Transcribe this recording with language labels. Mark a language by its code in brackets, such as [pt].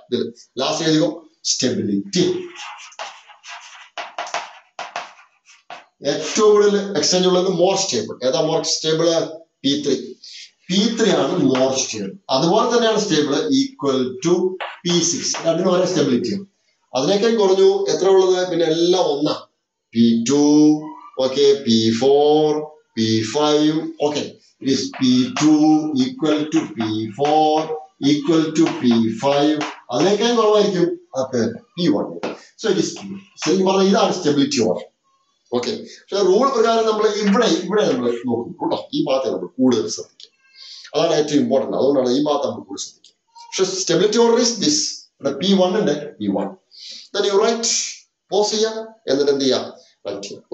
[ml] ഇതിൽ ലാസ്റ്റ് എഴുതിയോ സ്റ്റെബിലിറ്റി. ഏറ്റവും കൂടുതൽ എക്സ്ചേഞ്ച് ഉള്ളത് മോർ സ്റ്റേബിൾ, ഏതാ more stable, P three, P three ആണ് മോർ സ്റ്റേബിൾ. അതുപോലെ തന്നെയാണ് [en] stable equal to P six, [ml] രണ്ടിനും ഒരേ സ്റ്റെബിലിറ്റിയാണ്. അതിനേക്കാൾ കുറഞ്ഞു എത്ര ഉള്ളത്, പിന്നെ എല്ലാം ഒന്നാ, P2, okay, P4, P5, okay, [en] it is P2 equal to P4 equal to P5, [ml] അതിനേക്കാൾ കുറവായിരിക്കും അപ്പോൾ P1. [en] So it is P1. [ml] ശരി പറഞ്ഞാൽ ഇതാണ് സ്റ്റെബിലിറ്റി ഓർഡർ. ഓക്കെ, പക്ഷേ റൂൾ പ്രകാരം നമ്മൾ ഇവിടെ ഇവിടെ നമ്മൾ നോക്കും കേട്ടോ, ഈ ഭാഗത്തെ നമ്മൾ കൂടുതൽ ശ്രദ്ധിക്കും. അതാണ് ഏറ്റവും ഇമ്പോർട്ടൻറ്റ്, അതുകൊണ്ടാണ് ഈ ഭാഗത്ത് നമ്മൾ കൂടുതൽ ശ്രദ്ധിക്കുക. പക്ഷേ [en] stability order is this, [ml] ഇവിടെ പി വൺ ഉണ്ട്, P one. [en] Then you write, [ml] pose ചെയ്യാം, എന്നിട്ട് എന്ത് ചെയ്യാം, പറ്റുക.